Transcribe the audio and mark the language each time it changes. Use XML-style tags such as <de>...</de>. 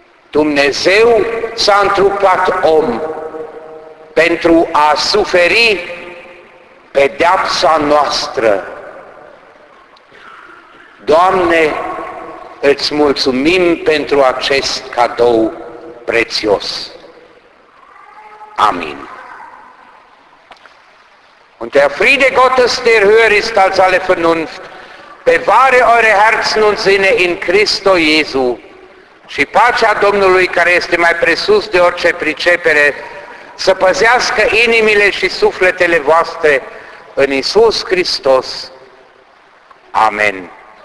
<ro>Dumnezeu s-a întrupat om pentru a suferi pedeapsa noastră. Doamne, îți mulțumim pentru acest cadou prețios. Amin.</ro> <de>Und der Friede Gottes, der höher ist als alle Vernunft, bewahre eure Herzen und Sinne in Christo Jesu.</de> <ro>Și pacea Domnului, care este mai presus de orice pricepere, să păzească inimile și sufletele voastre în Iisus Hristos. Amen.</ro>